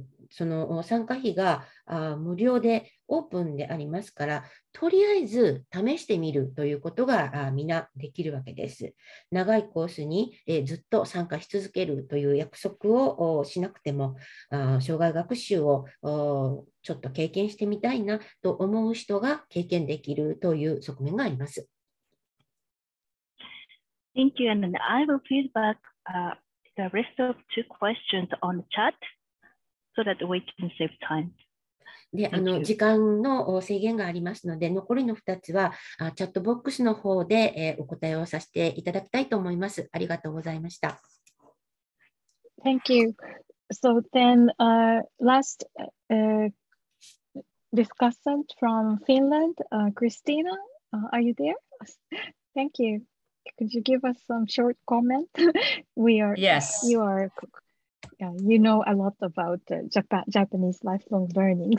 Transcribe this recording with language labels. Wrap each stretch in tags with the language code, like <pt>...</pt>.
<ja>その参加費が無料でオープンでありますから、とりあえず試してみるということがみんなできるわけです。長いコースにずっと参加し続けるという約束をしなくても、障害学習をちょっと経験してみたいなと思う人が経験できるという側面があります。</ja> <en>Thank you. And I will feedback the rest of two questions on the chat so that we can save time.</en> <ja>で、時間の制限がありますので、残りの2つはチャットボックスの方で、お答えをさせていただきたいと思います。ありがとうございました。</ja> <en>Thank you. So then last discussant from Finland, Christina, are you there? Thank you. Could you give us some short comment? We are, yes, you areYeah, you know a lot about Japanese lifelong learning.</en>